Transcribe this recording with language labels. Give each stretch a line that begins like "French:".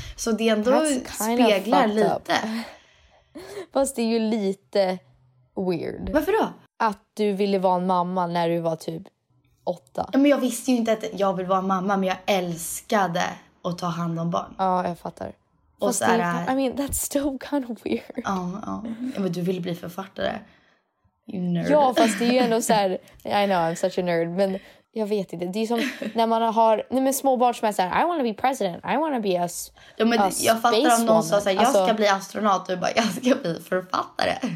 Swedish: Så det ändå speglar lite. Fast det är ju lite weird. Varför då? Att du ville vara en mamma när du var typ 8. Ja, men jag visste ju inte att jag ville vara mamma. Men jag älskade att ta hand om barn. Ja, jag fattar. Och så är,
English: I mean, that's still kind of weird.
Swedish: Ja, men du vill bli författare.
English: Nerd.
Swedish: Ja, fast det är ju ändå så här,
English: I know, I'm such a nerd.
Swedish: Men jag vet inte. Det är som när man har, när med små barn som är så här,
English: I want to be president. I want to be a spacewoman.
Swedish: Jag fattar om någon sa så här, jag ska bli astronaut. Du bara, jag ska bli författare.